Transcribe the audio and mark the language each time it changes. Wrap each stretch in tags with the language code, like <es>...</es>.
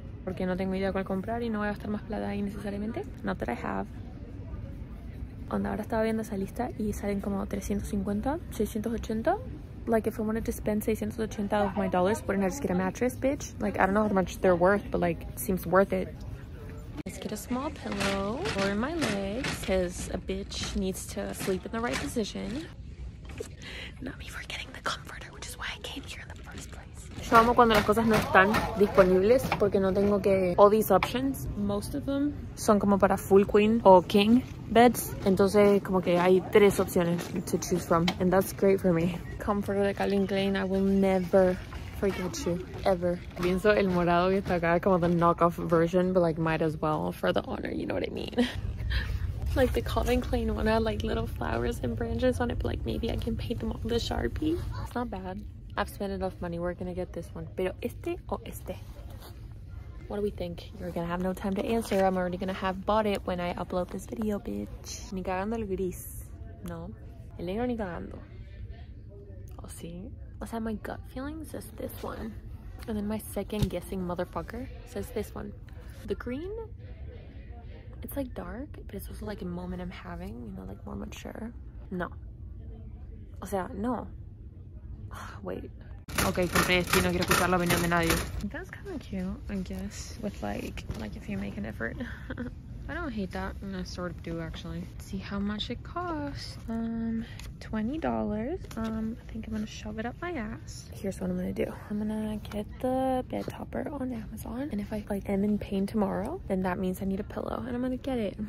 <es>Porque no tengo idea cuál comprar y no voy a gastar más plata ahí necesariamente.</es> <en>Not that I have.</en> <es>Onda, ahora estaba viendo esa lista y salen como 350, 680.</es> <en>Like, if I wanted to spend $680 of my dollars, wouldn't I just get a mattress, bitch? Like, I don't know how much they're worth, but like, seems worth it. Let's get a small pillow for my legs, because a bitch needs to sleep in the right position. Not me forgetting the comforter, which is why I came here in the first place.</en> <es>Yo amo cuando las cosas no están disponibles, porque no tengo que...</es> <en>All these options, most of them,</en> <es>son como para</es> <en>full queen o king beds.</en> <es>Entonces, como que hay tres opciones</es> <en>to choose from, and that's great for me. Comforter de Calvin Klein, I will never... forget you ever.</en> <es>Pienso el morado que está acá como</es> <en>the knockoff version, but like might as well for the honor, you know what I mean? Like the Calvin Klein one had like little flowers and branches on it, but like maybe I can paint them all the Sharpie. It's not bad. I've spent enough money, we're gonna get this one.</en> <es>Pero este o este?</es> <en>What do we think? You're gonna have no time to answer. I'm already gonna have bought it when I upload this video, bitch.</en> <es>Ni cagando el gris. No. El negro ni cagando. Oh, sí.</es> <en>I said my gut feeling says this one. And then my second guessing motherfucker says this one. The green, it's like dark, but it's also like a moment I'm having, you know, like more mature.</en> <es>No. O sea, no.</es> <en>Oh, wait.</en> <es>Okay, compré esto y no quiero escuchar la opinión de nadie.</es> <en>That's kind of cute, I guess. With like if you make an effort. I don't hate that, and I sort of do actually. Let's see how much it costs. $20. I think I'm gonna shove it up my ass. Here's what I'm gonna do. I'm gonna get the bed topper on Amazon, and if I like am in pain tomorrow, then that means I need a pillow, and I'm gonna get it.</en>